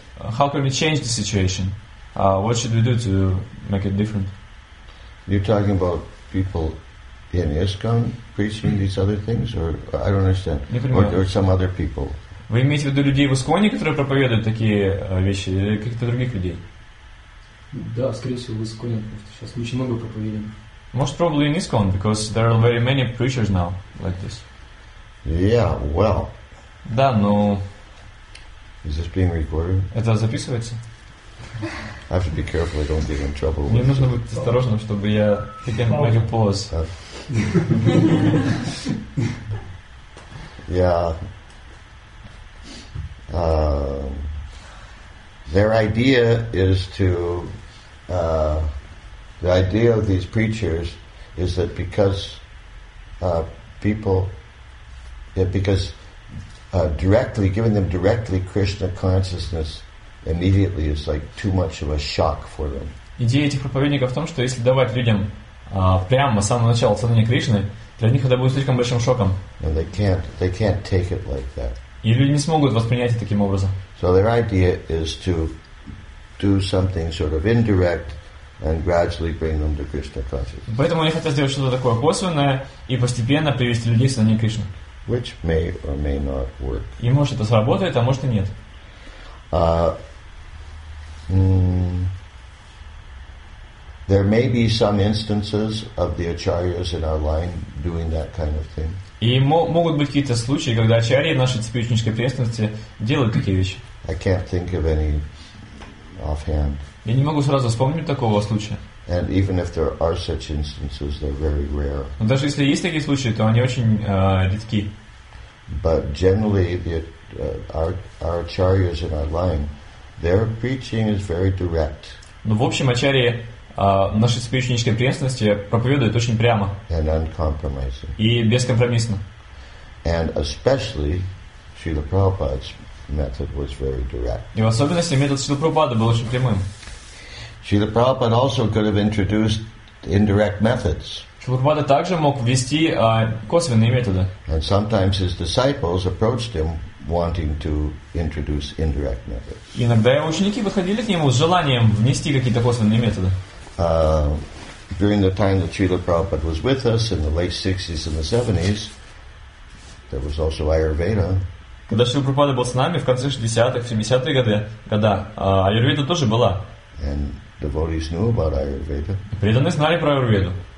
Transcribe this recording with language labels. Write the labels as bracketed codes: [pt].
[en] How can we change the situation? What should we do to make it different? You're talking about people in ISKCON preaching these other things, or I don't understand, or some other people. [ru] Вы имеете в виду людей в ИСКОНе, которые проповедуют такие вещи, или каких-то других людей? Да, скорее всего в ИСКОНе. Сейчас очень много проповедуем. [en] Most probably in ISKCON, because there are very many preachers now like this. Yeah, well. [ru] Да, но. [en] Is this being recorded? [ru] Это записывается? [en] I have to be careful I don't get in trouble. [ru] Мне нужно быть осторожным, чтобы я таким [en] make a pause. Yeah. Their idea is to the idea of these preachers is that because giving them directly Krishna consciousness immediately is like too much of a shock for them. [ru] Идея этих проповедников в том, что если давать людям прямо с самого начала сознание Кришны, для них это будет слишком большим шоком. [en] And they can't take it like that. [ru] И люди не смогут воспринять это таким образом. [en] So their idea is to do something sort of indirect and gradually bring them to Krishna consciousness. [ru] Поэтому они хотят сделать что-то такое косвенное и постепенно привести людей к сознанию Кришны. [en] Which may or may not work. [ru] И может это сработает, а может и нет. [en] There may be some instances of the acharyas in our line doing that kind of thing. [ru] И могут быть какие-то случаи, когда ачарьи нашей цепи ученической преемственности делают такие вещи. [en] I can't think of any offhand. [ru] Я не могу сразу вспомнить такого случая. [en] And even if there are such instances, they're very rare. [ru] Но даже если есть такие случаи, то они очень редки. [en] But generally, our acharyas in our line, their preaching is very direct. [ru] Но в общем, ачарьи нашей цепи ученической преемственности проповедуют очень прямо. [en] And uncompromising. [ru] И бескомпромиссно. [en] And especially Srila Prabhupada's method was very direct. [ru] И в особенности метод Шрилы Прабхупады был очень прямым. [en] Srila Prabhupada also could have introduced indirect methods. [ru] Шрила Прабхупада также мог ввести косвенные методы. [en] And sometimes his disciples approached him wanting to introduce indirect methods. [ru] Иногда его ученики выходили к нему с желанием внести какие-то косвенные методы. [en] During the time that Srila Prabhupada was with us in the late 60s and the 70s, there was also Ayurveda. [ru] Когда Шрила Прабхупада был с нами в конце 60-х, 70-х годов, Аюрведа тоже была. [en] And devotees knew about Ayurveda. [ru] Преданные знали про Аюрведу.